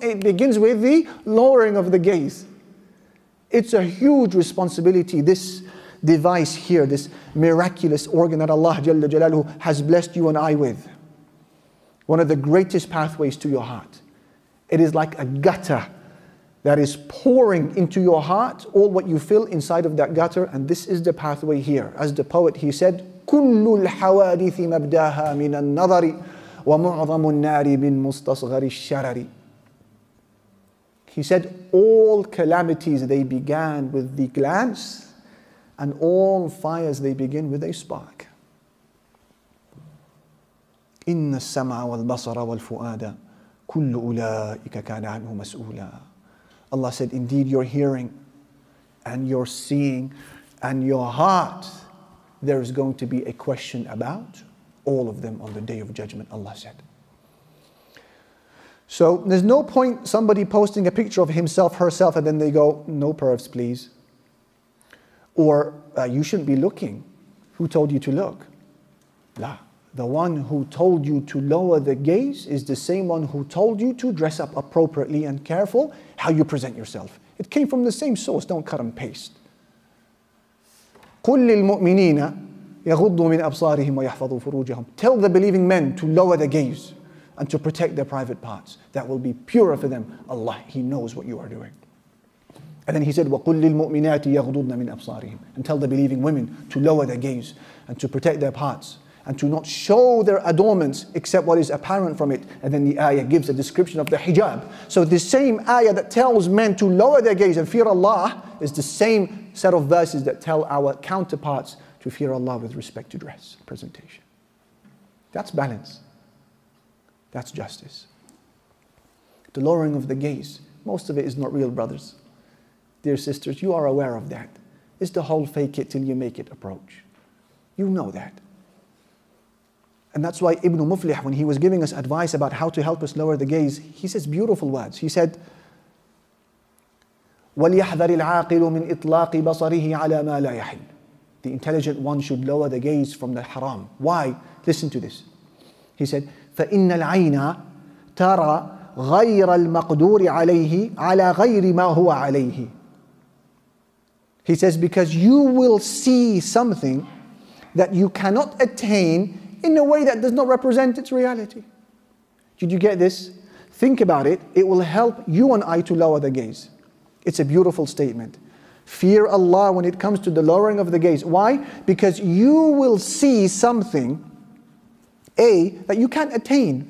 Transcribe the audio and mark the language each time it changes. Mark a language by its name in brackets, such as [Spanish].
[English] It begins with the lowering of the gaze. It's a huge responsibility, this device here, this miraculous organ that Allah Jalla Jalaluhu has blessed you and I with. One of the greatest pathways to your heart. It is like a gutter that is pouring into your heart all what you feel inside of that gutter, and this is the pathway here. As the poet, he said, [Arabic] كُلُّ الْحَوَادِثِ مَبْدَاهَا مِنَ النَّظَرِ وَمُعْظَمُ النَّارِ مِنْ مُسْتَصْغَرِ الشَّرَرِ. [English] He said, all calamities, they began with the glance, and all fires, they begin with a spark. [Arabic] إِنَّ السَّمْعَ وَالْبَصَرَ وَالْفُؤَادَ كُلُّ أُولَٰئِكَ كَانَ عَنْهُ مَسْؤُولًا. [English] Allah said, indeed, your hearing and your seeing and your heart, there is going to be a question about all of them on the Day of Judgment, Allah said. So there's no point somebody posting a picture of himself, herself, and then they go, no pervs, please. Or you shouldn't be looking. Who told you to look? La. The one who told you to lower the gaze is the same one who told you to dress up appropriately and careful how you present yourself. It came from the same source. Don't cut and paste. [Arabic] قُلْ لِلْمُؤْمِنِينَ يَغُضُّوا مِنْ أَبْصَارِهِمْ وَيَحْفَظُوا فُرُوجَهُمْ. [English] Tell the believing men to lower the gaze and to protect their private parts. That will be purer for them. Allah, He knows what you are doing. And then he said, [Arabic] وَقُلْ لِلْمُؤْمِنَاتِ يَغْضُضْنَ مِنْ أَبْصَارِهِمْ. [English] And tell the believing women to lower their gaze and to protect their parts and to not show their adornments except what is apparent from it. And then the ayah gives a description of the hijab. So the same ayah that tells men to lower their gaze and fear Allah is the same set of verses that tell our counterparts to fear Allah with respect to dress, presentation. That's balance. That's justice. The lowering of the gaze, most of it is not real, brothers. Dear sisters, you are aware of that. It's the whole fake it till you make it approach. You know that. And that's why Ibn Muflih, when he was giving us advice about how to help us lower the gaze, he says beautiful words. He said, [Arabic] وَلْيَحْذَرِ الْعَاقِلُ مِنْ إِطْلَاقِ بَصَرِهِ عَلَى مَا لَا يَحِلْ. [English] The intelligent one should lower the gaze from the haram. Why? Listen to this. He said, [Arabic] فَإِنَّ الْعَيْنَ تَرَى غَيْرَ الْمَقْدُورِ عَلَيْهِ عَلَى غَيْرِ مَا هُوَ عَلَيْهِ. [English] He says, because you will see something that you cannot attain in a way that does not represent its reality. Did you get this? Think about it. It will help you and I to lower the gaze. It's a beautiful statement. Fear Allah when it comes to the lowering of the gaze. Why? Because you will see something, A, that you can't attain.